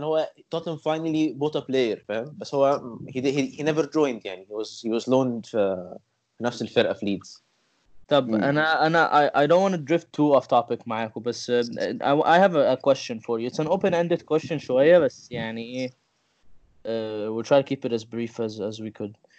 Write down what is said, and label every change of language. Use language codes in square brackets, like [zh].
[en] هو Tottenham finally bought a player, فاهم؟ بس هو he never joined. [ar] يعني [en] he was loaned [ar] في نفس الفرقه في ليدز. [en] طب انا I don't want to drift too off topic معاكم, بس I have a question for you. It's an open ended question شويه, بس يعني we'll try to keep it as brief as we could.